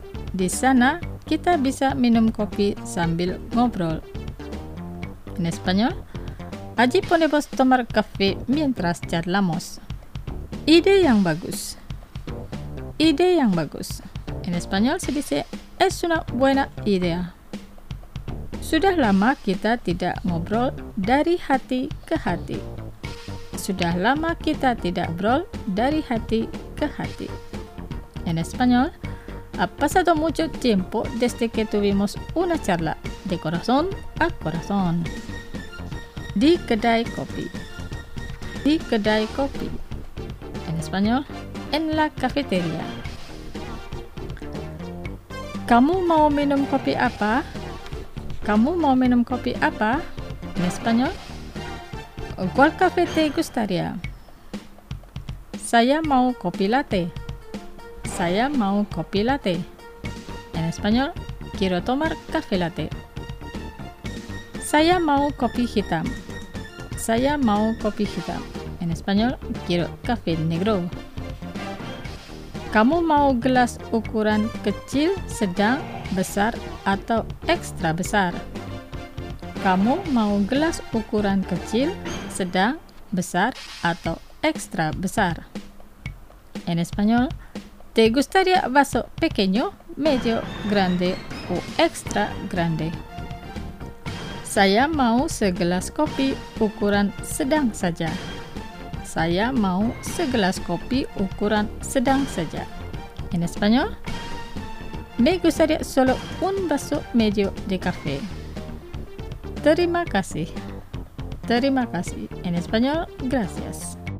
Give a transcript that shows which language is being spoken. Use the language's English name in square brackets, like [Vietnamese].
[Indonesian] Di sana kita bisa minum kopi sambil ngobrol. [Spanish] En español. Allí podemos tomar café mientras charlamos. [Indonesian] Ide yang bagus. Ide yang bagus. [Spanish] En español se dice es una buena idea. [Indonesian] Sudah lama kita tidak ngobrol dari hati ke hati. Sudah lama kita tidak ngobrol dari hati ke hati. [Spanish] En español. Ha pasado mucho tiempo desde que tuvimos una charla de corazón a corazón. [Indonesian] Di kedai kopi. Di kedai kopi. [Spanish] En español, en la cafetería. [Indonesian] Kamu mau minum kopi apa? Kamu mau minum kopi apa? [Spanish] En español. ¿Cuál café te gustaría? [Indonesian] Saya mau kopi latte. Saya mau kopi latte. [Spanish] En español, quiero tomar café latte. [Indonesian] Saya mau kopi hitam. Saya mau kopi hitam. [Spanish] En español, quiero café negro. [Indonesian] Kamu mau gelas ukuran kecil, sedang, besar, atau extra besar? Kamu mau gelas ukuran kecil, sedang, besar, atau extra besar? [Spanish] En español, ¿te gustaría vaso pequeño, medio, grande, o extra grande? [Indonesian] Saya mau segelas kopi ukuran sedang saja. Saya mau segelas kopi ukuran sedang saja. [Spanish] En español. Me gustaría solo un vaso medio de café. [Indonesian] Terima kasih. Terima kasih. [Spanish] En español, gracias.